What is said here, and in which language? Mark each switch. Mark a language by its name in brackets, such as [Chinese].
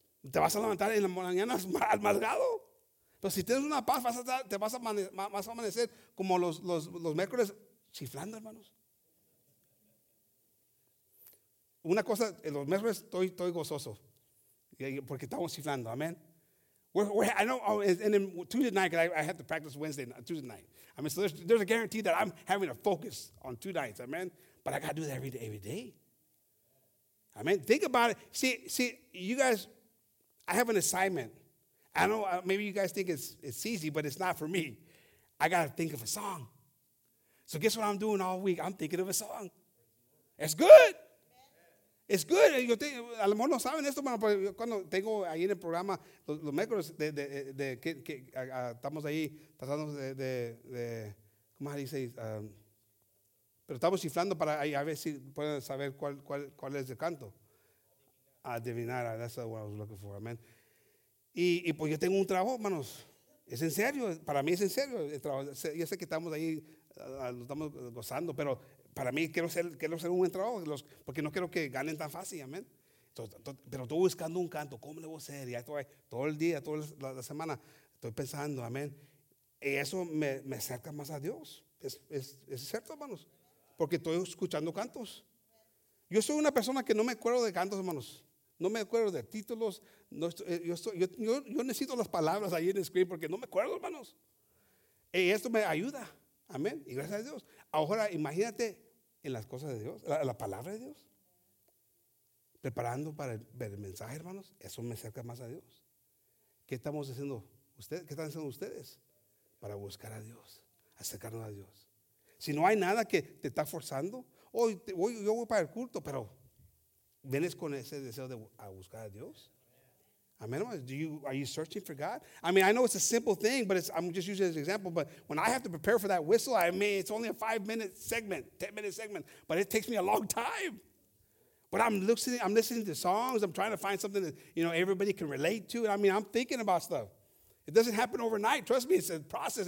[Spanish] Te vas a levantar en la mañana amargado. Pero si tienes una paz, vas a amanecer como los miércoles chiflando, hermanos. Una cosa, en los miércoles estoy gozoso porque estamos chiflando, amén. [English] I know, and then Tuesday night, because I have to practice Wednesday, Tuesday night. I mean, so there's a guarantee that I'm having a focus on two nights, amén. But I got to do that every day. Amén. Think about it. See, you guys, I have an assignment. I know maybe you guys think it's easy, but it's not for me. I got to think of a song. So guess what I'm doing all week? I'm thinking of a song. It's good. It's good. [Spanish] Yo tengo, a lo mejor no saben esto, pero cuando tengo ahí en el programa, los miércoles, estamos ahí tratando de ¿cómo se dice? Pero estamos chiflando para ahí, a ver si pueden saber cuál es el canto. [English] Adivinar, that's what I was looking for, amen. [Spanish] Y pues yo tengo un trabajo, hermanos. Es en serio, para mí es en serio el trabajo. Yo sé que estamos ahí, lo estamos gozando, pero para mí quiero ser un buen trabajo, porque no quiero que ganen tan fácil, amén. Pero estoy buscando un canto, ¿cómo le voy a hacer? Y estoy todo el día, toda la semana, estoy pensando, amén. Y eso me acerca más a Dios. Es cierto, hermanos, porque estoy escuchando cantos. Yo soy una persona que no me acuerdo de cantos, hermanos. No me acuerdo de títulos. Yo necesito las palabras ahí en el screen porque no me acuerdo, hermanos. Y esto me ayuda. Amén. Y gracias a Dios. Ahora imagínate en las cosas de Dios, la palabra de Dios. Preparando para el mensaje, hermanos. Eso me acerca más a Dios. ¿Qué estamos haciendo ustedes? ¿Qué están haciendo ustedes? Para buscar a Dios. Acercarnos a Dios. Si no hay nada que te está forzando. Yo voy para el culto, pero ¿vienes con ese deseo de a buscar a Dios? [English] Amen. Are you searching for God? I mean, I know it's a simple thing, but I'm just using it as an example. But when I have to prepare for that whistle, I mean, it's only a 5-minute segment, 10-minute segment, but it takes me a long time. But I'm listening to songs. I'm trying to find something that, you know, everybody can relate to. And I mean, I'm thinking about stuff. It doesn't happen overnight. Trust me, it's a process.